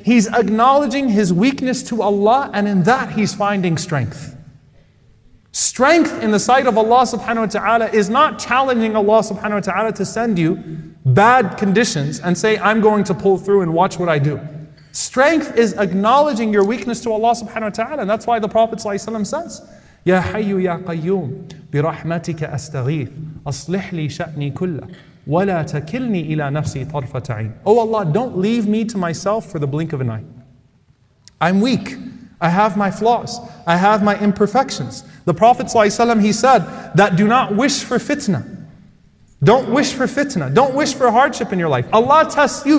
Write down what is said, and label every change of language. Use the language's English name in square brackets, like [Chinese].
[English] He's acknowledging his weakness to Allah, and in that he's finding strength. Strength in the sight of Allah subhanahu wa ta'ala is not challenging Allah subhanahu wa ta'ala to send you bad conditions and say, I'm going to pull through and watch what I do. Strength is acknowledging your weakness to Allah subhanahu wa ta'ala. And that's why the Prophet sallallahu alaihi wasallam says, [Arabic] يَا حَيُّ يَا قَيُّمُ بِرَحْمَتِكَ أَسْتَغِيثُ أَصْلِحْ لِي شَأْنِي كُلَّهُ وَلَا تَكِلْنِي إِلَى نَفْسِي طَرْفَةَ عَيْنٍ. [English] Oh Allah, don't leave me to myself for the blink of an eye. I'm weak. I have my flaws. I have my imperfections. The Prophet ﷺ, he said that do not wish for fitna. Don't wish for fitna. Don't wish for hardship in your life. Allah tests you.